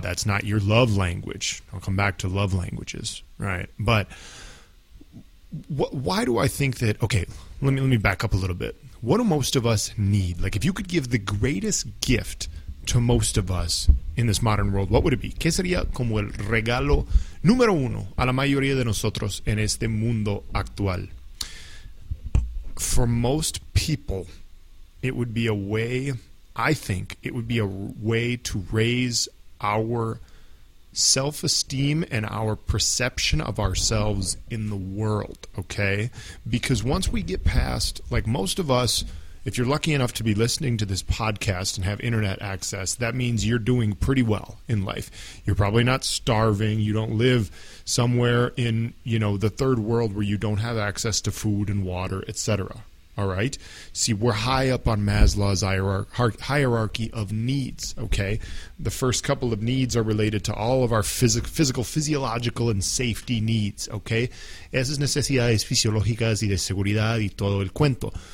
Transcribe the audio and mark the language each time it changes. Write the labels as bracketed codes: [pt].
[en] That's not your love language. I'll come back to love languages, right? But why do I think that, okay, let me back up a little bit. What do most of us need? Like, if you could give the greatest gift to most of us in this modern world, what would it be? [es] ¿Qué sería como el regalo número uno a la mayoría de nosotros en este mundo actual? [en] For most people, it would be a way, I think, it would be a way to raise our self-esteem and our perception of ourselves in the world, okay? Because once we get past, like most of us, if you're lucky enough to be listening to this podcast and have internet access, that means you're doing pretty well in life. You're probably not starving. You don't live somewhere in, you know, the third world where you don't have access to food and water, etc. All right? See, we're high up on Maslow's hierarchy of needs, okay? The first couple of needs are related to all of our physical, physiological, and safety needs, okay? [es] Esas necesidades fisiológicas y de seguridad y todo el cuento.